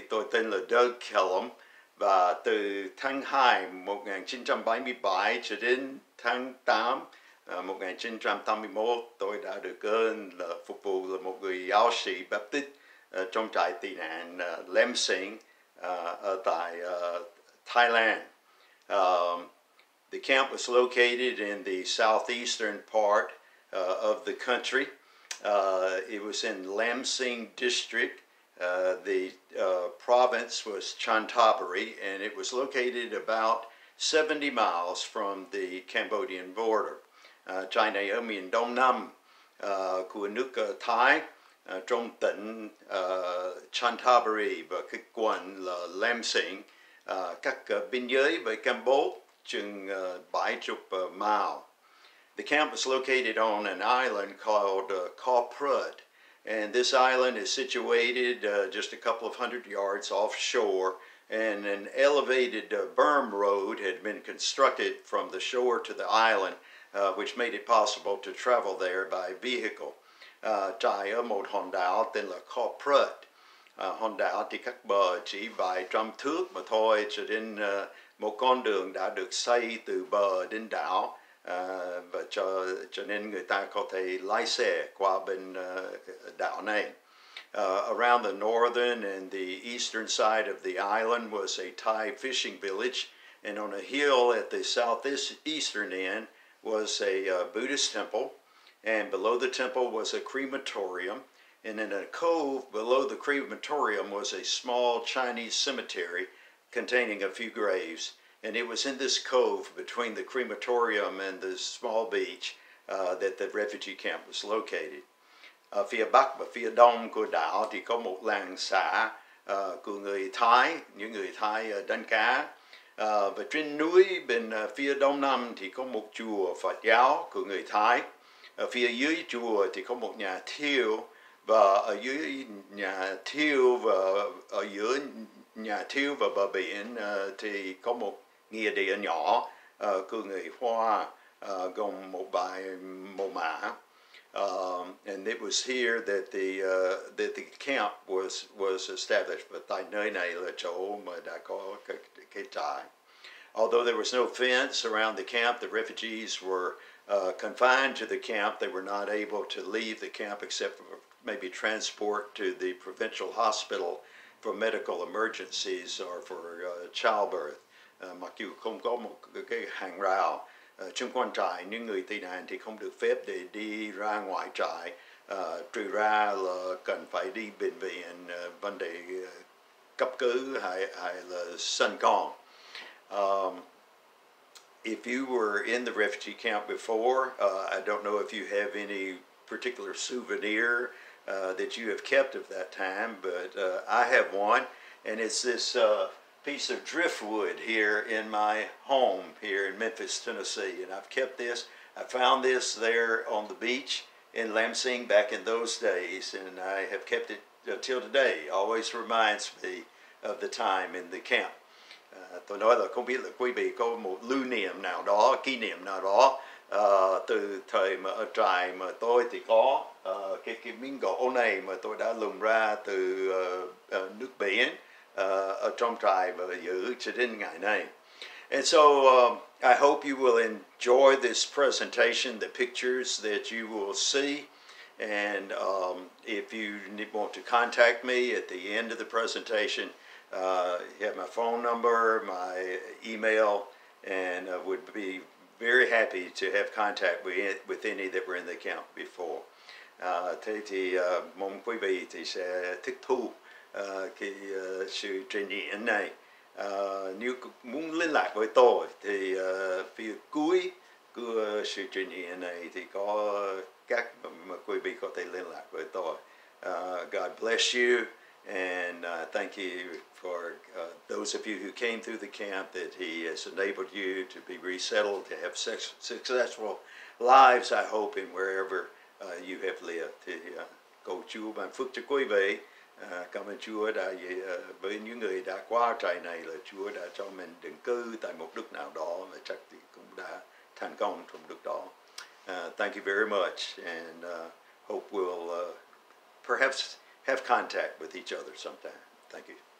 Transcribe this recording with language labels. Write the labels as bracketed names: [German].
[Vietnamese] Tên là Doug Kellum, và từ tháng 2 1977 cho đến tháng 8 1981, tôi đã được ơn là phục vụ là một người giáo sĩ Baptist trong trại tị nạn Lam Sing ở tại Thailand. [English] The camp was located in the southeastern part of the country. It was in Lam Sing District. The province was Chonburi, and it was located about 70 miles from the Cambodian border. [Vietnamese] China ở miền đông nam của nước Thái, trong tỉnh Chonburi và cái quận là Lam Sing, cách biên giới với Campuchia chừng 70 miles. [English] The camp is located on an island called Koh Phut, and this island is situated just a couple of hundred yards offshore, and an elevated berm road had been constructed from the shore to the island, which made it possible to travel there by vehicle. [Vietnamese] Trại ở một hòn đảo tên là Koh Phut. Hòn đảo thì cách bờ chỉ vài trăm thước mà thôi, cho đến một con đường đã được xây từ bờ đến đảo, và cho nên người ta có thể lái xe qua bên đảo này. [English] Around the northern and the eastern side of the island was a Thai fishing village, and on a hill at the southeastern end was a Buddhist temple, and below the temple was a crematorium, and in a cove below the crematorium was a small Chinese cemetery containing a few graves, and it was in this cove between the crematorium and the small beach that the refugee camp was located. [Vietnamese] Phía bắc và phía đông của đảo thì có một làng xã của người Thái, những người Thái đánh cá. Và trên núi bên phía đông nam thì có một chùa Phật giáo của người Thái. Phía dưới chùa thì có một nhà thiêu, và ở dưới nhà thiêu và ở giữa nhà thiêu và bờ biển thì có một nghĩa địa nhỏ của người Hoa, gồm một bài mộ mã. [English] And it was here that the camp was established. [Vietnamese] But tại nơi này là chỗ mà đã có cái trại. [English] Although there was no fence around the camp, the refugees were confined to the camp. They were not able to leave the camp except for maybe transport to the provincial hospital for medical emergencies or for childbirth. [Vietnamese] Mặc dù không có một cái hàng rào chung quanh trại, những người tị nạn thì không được phép để đi ra ngoài trại, trừ ra là cần phải đi bệnh viện vấn đề cấp cứu hay là sinh con. [English] If you were in the refugee camp before, I don't know if you have any particular souvenir that you have kept of that time, but I have one, and it's this piece of driftwood here in my home here in Memphis, Tennessee, and I've kept this. I found this there on the beach in Lam Sing back in those days, and I have kept it till today. Always reminds me of the time in the camp. [Vietnamese] Tôi nói là không biết là quý vị có một lưu niệm nào đó, kỷ niệm nào đó từ thời mà ở trại mà tôi thì có cái miếng gỗ này mà tôi đã lùm ra từ nước biển ở trong trại và giữ cho đến ngày nay. [English] And so I hope you will enjoy this presentation, the pictures that you will see. And if you want to contact me at the end of the presentation, you have my phone number, my email, and I would be very happy to have contact with any that were in the camp before. [Vietnamese] Thế thì mong quý vị thì sẽ thích thú cái sự trải nghiệm này. Nếu muốn liên lạc với tôi thì phía cuối của sự trải nghiệm này thì có các mà quý vị có thể liên lạc với tôi. [English] God bless you. And thank you for those of you who came through the camp, that he has enabled you to be resettled, to have successful lives, I hope, in wherever you have left. [Vietnamese] Cầu Chúa ban phước cho quý vị. Cảm ơn Chúa đã với những người đã qua trại này là Chúa đã cho mình định cư tại một đất nào đó và chắc thì cũng đã thành công trong đất đó. [English] Thank you very much and hope we'll perhaps have contact with each other sometime. Thank you. Thank you.